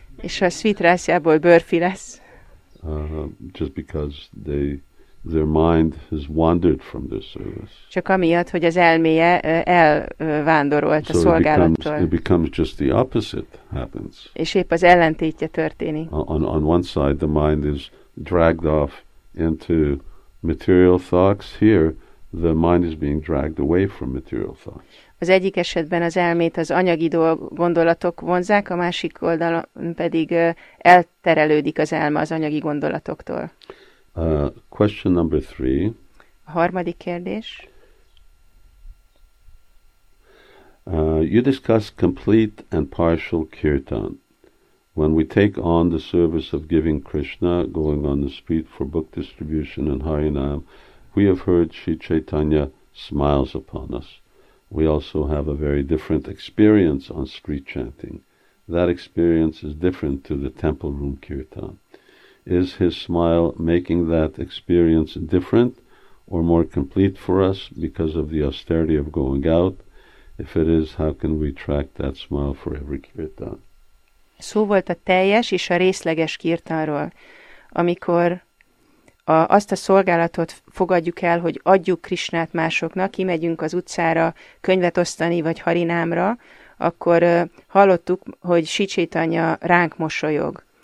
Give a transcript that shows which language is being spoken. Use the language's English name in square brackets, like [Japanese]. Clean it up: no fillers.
[Hungarian] És a sweet rice-jából burfi lesz. [English] Just because their mind has wandered from their service. [Hungarian] Csak amiatt, hogy az elméje elvándorolt [English] so [Hungarian] a szolgálattól. [English] It becomes just the opposite happens. [Hungarian] És épp az ellentétje történik. [English] On one side the mind is dragged off into material thoughts. Here the mind is being dragged away from material thoughts. [Hungarian] Az egyik esetben az elmét az anyagi gondolatok vonzák, a másik oldalon pedig elterelődik az elme az anyagi gondolatoktól. [English] Question number three. [Hungarian] A harmadik kérdés. [English] You discuss complete and partial kirtan. When we take on the service of giving Krishna, going on the street for book distribution and Harinam, we have heard Sri Chaitanya smiles upon us. We also have a very different experience on street chanting. That experience is different to the temple room kirtan. is his smile making that experience different or more complete for us because of the austerity of going out? If it is, how can we track that smile for every kirtan? [Hungarian] Szó volt a teljes és a részleges kirtanról. Amikor azt a szolgálatot fogadjuk el, hogy adjuk Krisnát másoknak, kimegyünk az utcára könyvet osztani, vagy harinámra, akkor hallottuk, hogy Sri Chaitanya ránk mosolyog.